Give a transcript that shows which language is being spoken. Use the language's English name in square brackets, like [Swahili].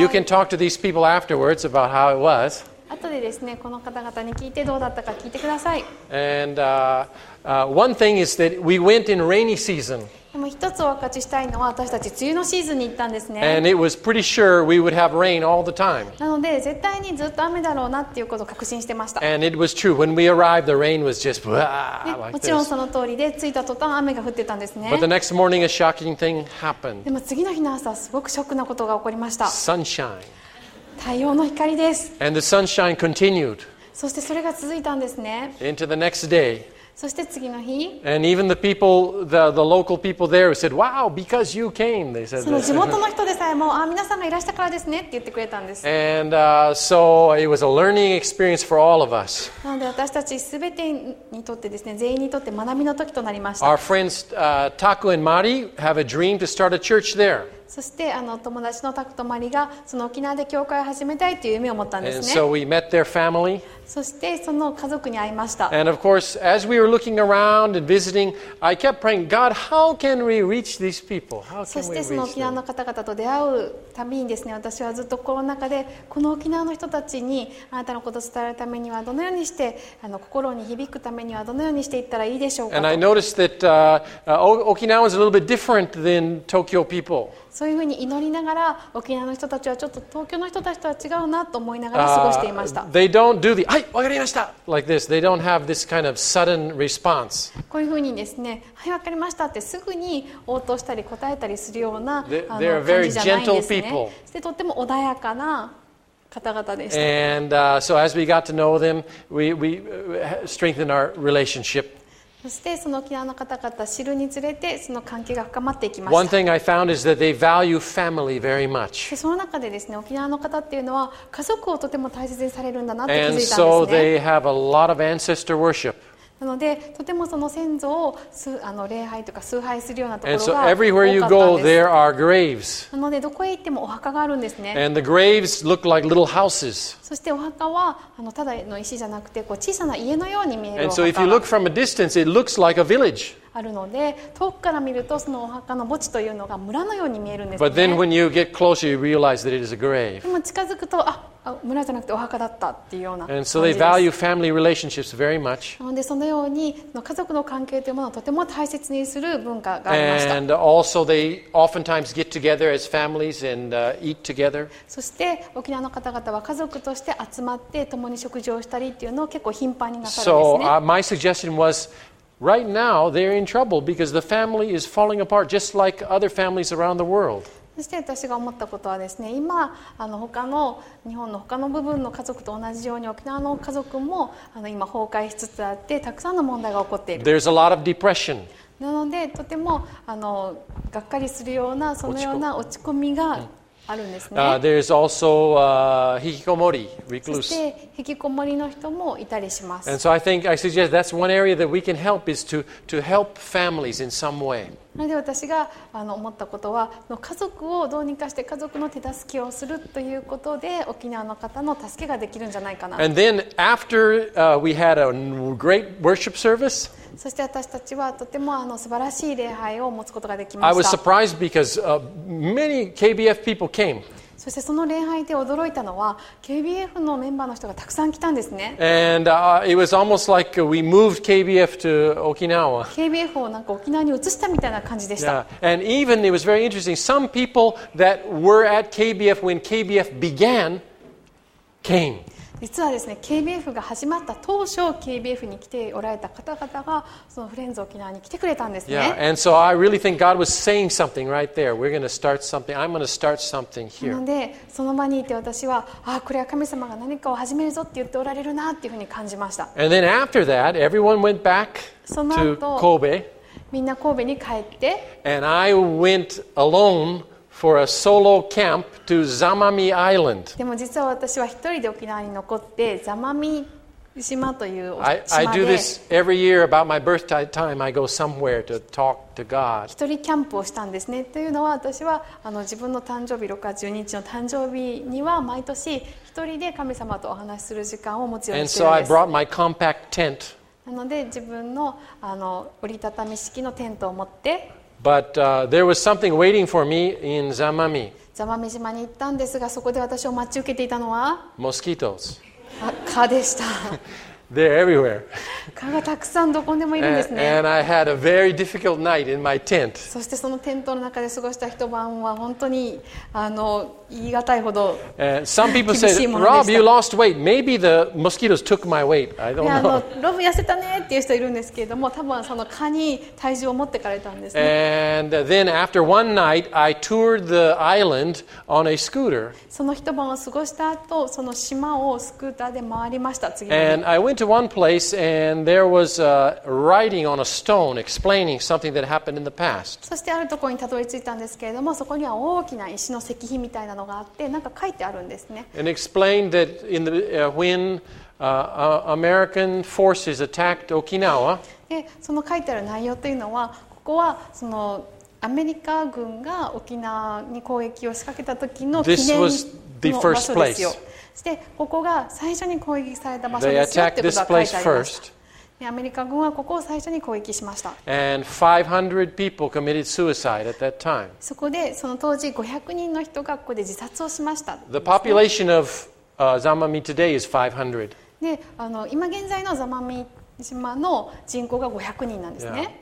[English] You can talk to these people afterwards about how it was. [Japanese] 後でですね、この方々に聞いてどうだったか聞いてください。 [English] And one thing is that we went in rainy season. [Japanese] でも一つお分かちしたいのは、私たち梅雨のシーズンに行ったんですね。 [English] And it was pretty sure we would have rain all the time. [Japanese] なので、絶対にずっと雨だろうなっていうことを確信してました。 [English] And it was true. When we arrived, the rain was just blah, like this. [Japanese] もちろんその通りで、着いた途端雨が降ってたんですね。 [English] But the next morning, a shocking thing happened. [Japanese] でも次の日の朝、すごくショックなことが起こりました。 [English] Sunshine. [Japanese] 太陽の光です。 [English] And the sunshine continued. [Japanese] そしてそれが続いたんですね。 [English] Into the next day. [Japanese] そして次の日、 [English] and even the people, the local people there said, "Wow, because you came," they said. [Japanese] その地元の人でさえも、あ、皆さんがいらしたからですねって言ってくれたんです。 [English] And so it was a learning experience for all of us. [Japanese] なので私たちすべてにとってですね、全員にとって学びの時となりました。 [English] Our friends Taku and Mari have a dream to start a church there. [Japanese] そしてあの友達のタクとマリがその沖縄で教会を始めたいという夢を持ったんですね。 [English] And so we met their family. [Japanese] そしてその家族に会いました。 [English] And of course, as we were looking around and visiting, I kept praying, God, how can we reach these people? How can we reach them? [Japanese] そしてその沖縄の方々と出会うたびにですね、私はずっと心の中でこの沖縄の人たちにあなたのことを伝えるためにはどのようにしてあの心に響くためにはどのようにしていったらいいでしょうかと。 [English] And I noticed that Okinawa is a little bit different than Tokyo people. [Japanese] そういうふうに祈りながら沖縄の人たちはちょっと東京の人たちとは違うなと思いながら過ごしていました。 [English] They don't do the, [Japanese] はい、わかりました [English] like this. They don't have this kind of sudden response. [Japanese] こういうふうにですね、はい、わかりましたってすぐに応答したり答えたりするような感じじゃないんですね。 [English] They're very gentle people. [Japanese] そしてとっても穏やかな方々でした。 [English] And so as we got to know them, we strengthened our relationship. [Japanese] そしてその沖縄の方々を知るにつれてその関係が深まっていきました。 [English] One thing I found is that they value family very much. [Japanese] でその中でですね、沖縄の方っていうのは家族をとても大切にされるんだなって気づいたんですね。 [English] And so they have a lot of ancestor worship. [Japanese] なのでとてもその先祖をあの礼拝とか崇拝するようなところが [English] And so everywhere you go, there are graves. [Japanese] なのでどこへ行ってもお墓があるんですね。 [English] And the graves look like little houses. [Japanese] そしてお墓はあのただの石じゃなくてこう小さな家のように見えるお墓。 [English] And so if you look from a distance, it looks like a village. [Japanese] あるので遠くから見るとそのお墓の墓地というのが村のように見えるんですね。 [English] But then when you get closer, you realize that it is a grave. [Japanese] でも近づくとあ村じゃなくてお墓だったっていうような感じです。 [English] And so they value family relationships very much. [Japanese] なのでそのようにの家族の関係というものをとても大切にする文化がありました。 [English] And also they oftentimes get together as families and eat together. [Japanese] そして沖縄の方々は家族とそして集まって共に食事をしたりっていうのを結構頻繁になさるんですね。 [English] So, my suggestion was, right now they're in trouble because the family is falling apart just like other families around the world. [Japanese] そして私が思ったことはですね、今あの他の日本の他の部分の家族と同じように沖縄の家族もあの今崩壊しつつあってたくさんの問題が起こっている。 [English] There's a lot of depression. [Japanese] なのでとてもあのがっかりするようなそのような落ち込みが。あるんですね。 [English] There's also ひきこもり、recluse. [Japanese] そしてひきこもりの人もいたりします。 [English] And so I think I suggest that's one area that we can help is to help families in some way. [Japanese] なので私があの思ったことは、家族をどうにかして家族の手助けをするということで沖縄の方の助けができるんじゃないかな。 [English] And then after we had a great worship service. [Japanese] そして私たちはとてもあの素晴らしい礼拝を持つことができました。 [English] I was surprised because many KBF people came. そ [Japanese] そしてその礼拝で驚いたのは、KBF のメンバーの人がたくさん来たんですね。 [English] And, it was almost like we moved KBF to Okinawa. [Japanese] KBF をなんか沖縄に移したみたいな感じでした。 [English] Yeah. And even it was very interesting. Some people that were at KBF when KBF began came. [Japanese] 実はですね、KBF が始まった当初、KBF に来ておられた方々が、そのフレンズ沖縄に来てくれたんですね。 [English] Yeah, and so I really think God was saying something right there. We're going to start something. I'm going to start something here. [Japanese] なので、その場にいて私は、ああ、これは神様が何かを始めるぞって言っておられるなっていうふうに感じました。 [English] And then after that, everyone went back to Kobe. [Japanese] その後、みんな神戸に帰って、 [English] And I went alone. For a solo camp to Zamami Island. [Japanese] でも実は私は一人で沖縄に残って、ザマミ島という島で。 [English] I do this every year about my birthday time. I go somewhere to talk to God. [Japanese] 一人キャンプをしたんですね。というのは私は自分の誕生日6月12日の誕生日には毎年一人で神様とお話しする時間を持つようにしているんです。 [English] And so I brought my compact tent. [Japanese] なので自分の折りたたみ式のテントを持って。 [English] But there was something waiting for me in Zamami. [Japanese] Zamami 島に行ったんですが、そこで私を待ち受けていたのは [English] mosquitoes. [Japanese] 蚊でした。 [English] They're everywhere. [Japanese] 蚊がたくさんどこでもいるんですね。 [English] And I had a very difficult night in my tent. [Japanese] そしてそのテントの中で過ごした一晩は本当に言い難いほど厳しいものでした。 [English] Some people said, "Rob, you lost weight. Maybe the mosquitoes took my weight." I don't know. [Japanese] Rob 痩せたねっていう人いるんですけれども、多分その蚊に体重を持ってかれたんですね。 [English] And then after one night, I toured the island on a scooter. [Japanese] その一晩を過ごした後、その島をスクーターで回りました。次の日。 [English] And I went to one place and there was a writing on a stone explaining something that happened in the past. [Japanese] そしてあるところにたどり着いたんですけれども、そこには大きな石の石碑みたいなのがあって、なんか書いてあるんですね。 [English] And explained that in the when American forces attacked Okinawa. [Japanese] で、その書いてある内容というのは、ここはそのアメリカ軍が沖縄に攻撃を仕掛けた時の記念の場所ですよ。 [English] This was the first place. [Japanese] そしてここが最初に攻撃された場所ですよってことが書いてありました。アメリカ軍はここを最初に攻撃しました。 [English] And 500 people committed suicide at that time. [Japanese] そこでその当時500人の人がここで自殺をしました。 [English] The population of Zamami today is 500. [Japanese] で、今現在のザマミ島の人口が500人なんですね。